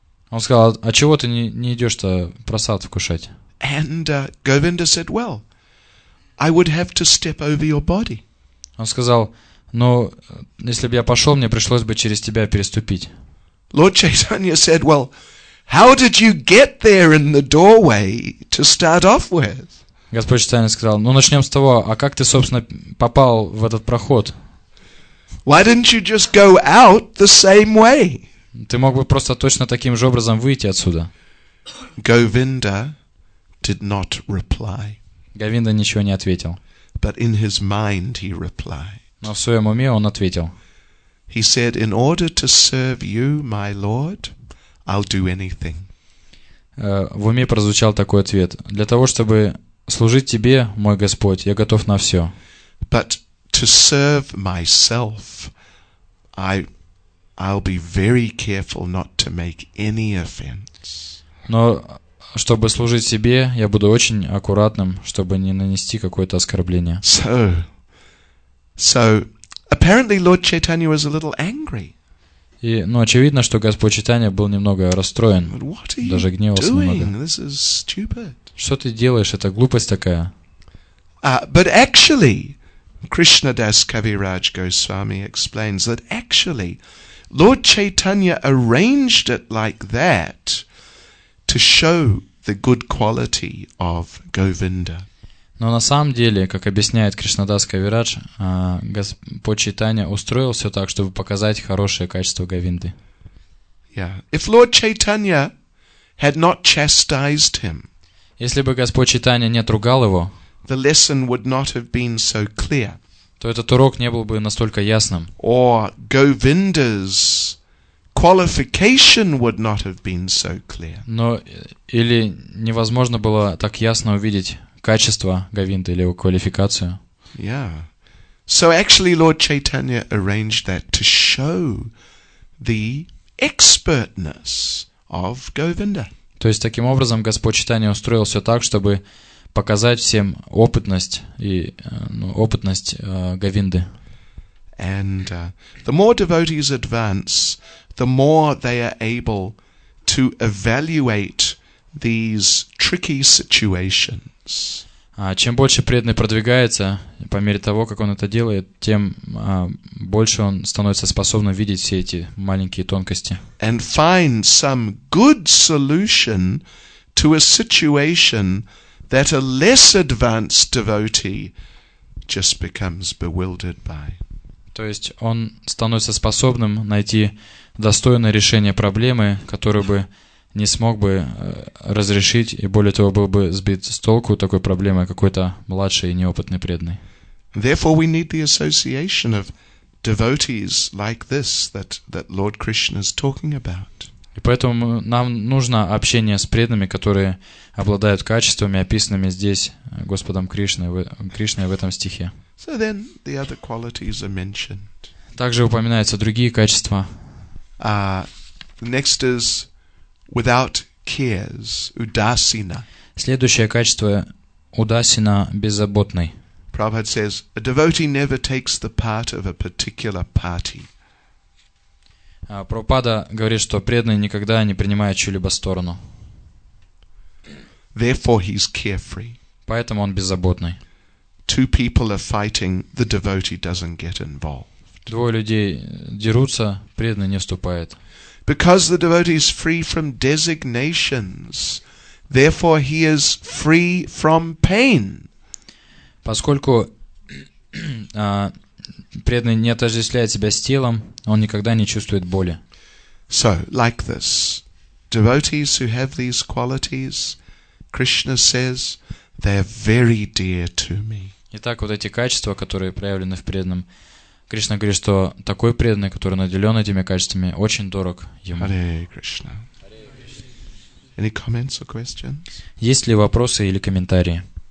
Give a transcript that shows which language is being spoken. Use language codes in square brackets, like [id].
[ru] Он сказал, а чего ты не идешь-то просад вкушать? [en] And Govinda said, well, I would have to step over your body. [ru] Он сказал, ну, если бы я пошел, мне пришлось бы через тебя переступить. [en] Lord Chaitanya said, well, how did you get there in the doorway to start off with? [ru] Господь Чайтанья сказал, ну, начнем с того, а как ты, собственно, попал в этот проход? [en] Why didn't you just go out the same way? [ru] Ты мог бы просто точно таким же образом выйти отсюда. [en] Govinda did not reply. [ru] Говинда ничего не ответил. [en] But in his mind he replied. [ru] Но в своем уме он ответил. [en] He said, in order to serve you, my lord, I'll do anything. [ru] В уме прозвучал такой ответ. Для того, чтобы служить тебе, мой Господь, я готов на все. [en] But to serve myself, I'll be very careful not to make any offense. [ru] Но чтобы служить себе, я буду очень аккуратным, чтобы не нанести какое-то оскорбление. [en] So apparently Lord Chaitanya was a little angry. [ru] И, ну, очевидно, что Господь Чайтанья был немного расстроен, даже гневался немного. [en] This is stupid. [ru] Что ты делаешь? Это глупость такая. [en] But actually, Krishnadas Kaviraj Goswami explains that actually Lord Chaitanya arranged it like that to show the good quality of Govinda. [ru] Но на самом деле, как объясняет Кришнадас Кавирадж, Господь Чайтанья устроил все так, чтобы показать хорошее качество Говинды. [en] Yeah. If Lord Chaitanya had not chastised him, [ru] если бы Господь Чайтанья не отругал его, [en] the lesson would not have been so clear. [ru] То этот урок не был бы настолько ясным. [en] Or Govinda's qualification would not have been so clear. [ru] Но или невозможно было так ясно увидеть качество Говинды или его квалификацию. [en] Yeah. So actually Lord Chaitanya arranged that to show the expertness of Govinda. [ru] То есть таким образом Господь Чайтанья устроил все так, чтобы показать всем опытность и Говинды. [en] And the more devotees advance, the more they are able to evaluate these tricky situations. [ru] Чем больше преданный продвигается, по мере того, как он это делает, тем больше он становится способным видеть все эти маленькие тонкости. [en] And find some good solution to a situation that a less advanced devotee just becomes bewildered by. [ru] То есть он становится способным найти достойное решение проблемы, которую бы не смог бы разрешить, и более того, был бы сбит с толку такой проблемой какой-то младший и неопытный преданный. [en] Therefore we need the association of devotees like this that Lord Krishna is talking about. [ru] И поэтому нам нужно общение с преданными, которые обладают качествами, описанными здесь Господом Кришной в этом стихе. [en] So then the other qualities are mentioned. [ru] Также упоминаются другие качества. [en] Next is without cares, udasina. [ru] Следующее качество – удасина, беззаботный. [en] Prabhupada says, a devotee never takes the part of a particular party. [ru] Прабхупада говорит, что преданный никогда не принимает чью-либо сторону. [en] Therefore he's carefree. [ru] Поэтому он беззаботный. [en] Two people are fighting, the devotee doesn't get involved. [ru] Двое людей дерутся, преданный не вступает. [en] Because the devotee is free from designations, therefore he is free from pain. Поскольку преданный не отождествляет себя с телом, он никогда не чувствует боли. So, like this. Devotees who have these qualities, Krishna says, They are very dear to me. [ru] Итак, вот эти качества, которые проявлены в преданном, Кришна говорит, что такой преданный, который наделен этими качествами, очень дорог ему. [en] Hare Krishna. Any comments or questions? [ru] Есть ли вопросы или комментарии?